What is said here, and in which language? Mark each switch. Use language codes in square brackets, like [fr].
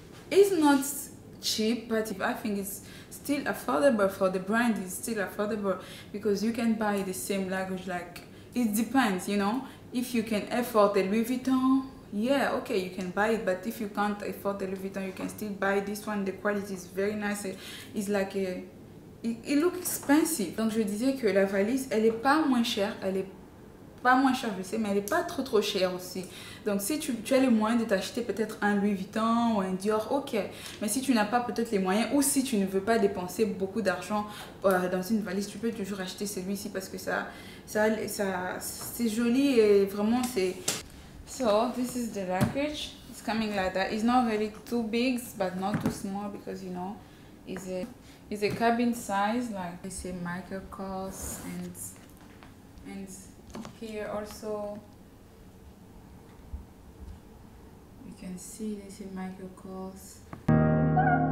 [en] It's not cheap, but I think it's still affordable for the brand. It's still affordable because you can buy the same luggage. Like, it depends, you know, if you can afford the Louis Vuitton. Yeah, okay, you can buy it, but if you can't afford the Louis Vuitton, you can still buy this one. The quality is very nice. It's like a, it looks expensive. [fr] Donc je disais que la valise, elle est pas moins chère, elle est pas moins chère, je sais, mais elle est pas trop chère aussi. Donc si tu as les moyens de t'acheter peut-être un Louis Vuitton ou un Dior, ok. Mais si tu n'as pas peut-être les moyens, ou si tu ne veux pas dépenser beaucoup d'argent dans une valise, tu peux toujours acheter celui-ci parce que ça c'est joli et vraiment c'est. [en] So this is the luggage. It's coming like that. It's not really too big, but not too small because you know, it's a cabin size. Like they say, Michael Kors, and here also you can see they say Michael Kors.